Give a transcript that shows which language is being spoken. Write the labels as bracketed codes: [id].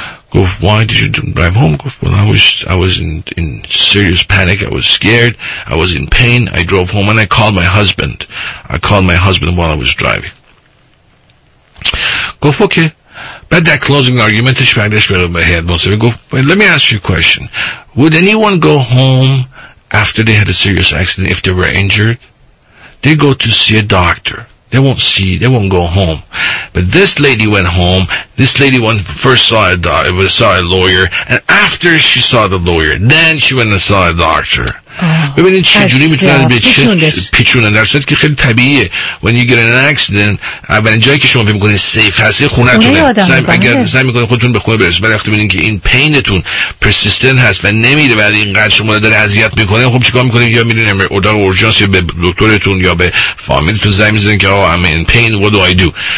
[en] گفت Why did you drive home؟ گفت Well, I was in serious panic. I was scared. I was in pain. I drove home and I called my husband while I was driving. گفت Okay. [fa] بعد در closing argumentش برگشت به هیئت منصفه، گفت [en] Well, let me ask you a question. Would anyone go home after they had a serious accident if they were injured? They go to see a doctor. They won't go home. But this lady went home. This lady went first saw a lawyer, and after she saw the lawyer, then she went and saw a doctor. [fa] ببینید چه جوری میتونه پیچونه. در صورتی که خیلی طبیعیه [en] when you get an accident، [fa] اولین جایی که شما فکر میکنید سیف هستی خونه تونه، اگر سعی میکنید خودتون به خونه برسید، ولی وقتی ببینید که این پینتون پرسیستنت هست و نمیره، بعد اینقدر شما داره اذیت میکنه، خب چیکار میکنید؟ یا میرین اتاق اورژانس یا به دکترتون یا به فامیلتون زنگ میزنید که آه ام این پین، [en] what do I do.